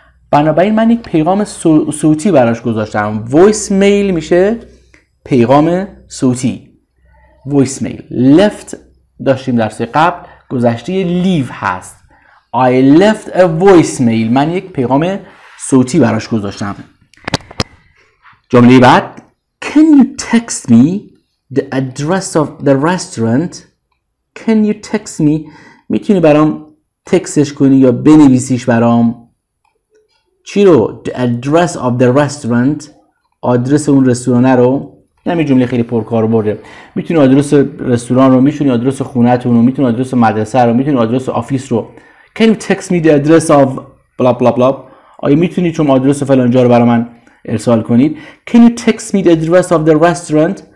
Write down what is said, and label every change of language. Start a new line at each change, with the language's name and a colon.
Persian: بنابراین من یک پیغام صوتی براش گذاشتم. Voicemail میشه پیغام صوتی.
English: Voicemail.
Persian: Left داشتیم درس قبل، گذشته leave هست.
English: I left a voicemail.
Persian: من یک پیغام صوتی براش گذاشتم. جمله بعد.
English: Can you text me the address of the restaurant? Can you text me?
Persian: میتونی برام تکستش کنی یا بنویسیش برام؟ چی رو؟
English: The address of the restaurant.
Persian: آدرس اون رستوران رو. نمی جمله خیلی پرکار برده. میتونی آدرس رستوران رو، میتونی آدرس خونتون رو، میتونی آدرس مدرسه رو، میتونی آدرس آفیس رو.
English: Can you text me the address of blah blah blah.
Persian: آیا میتونی چون آدرس فلانجا رو برای من ارسال کنید؟
English: Can you text me the address of the restaurant.